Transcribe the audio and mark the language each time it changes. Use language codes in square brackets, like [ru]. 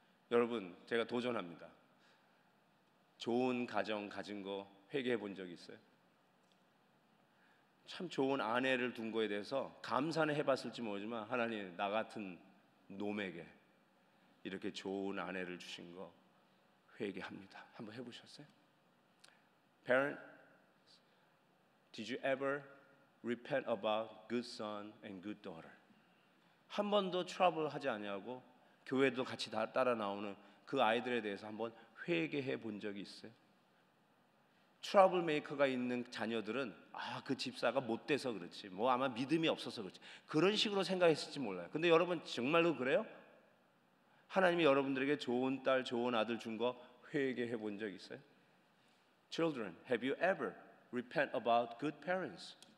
[ko] 여러분 제가 도전합니다. 좋은 가정 가진 거 회개해 본 적 있어요? 참 좋은 아내를 둔 거에 대해서 감사는 해봤을지 모르지만 하나님 나 같은 놈에게 이렇게 좋은 아내를 주신 거 회개합니다. 한번 해보셨어요? [en] Parent, did you ever repent about good son and good daughter? [ko] 한 번도 트러블 하지 아니하고 교회도 같이 다 따라 나오는 그 아이들에 대해서 한번 회개해 본 적이 있어요? 트러블 메이커가 있는 자녀들은 아, 그 집사가 못 돼서 그렇지 뭐 아마 믿음이 없어서 그렇지 그런 식으로 생각했을지 몰라요. 근데 여러분 정말로 그래요? 하나님이 여러분들에게 좋은 딸 좋은 아들 준 거 회개해 본 적 있어요? [en] Children, have you ever repent about good parents?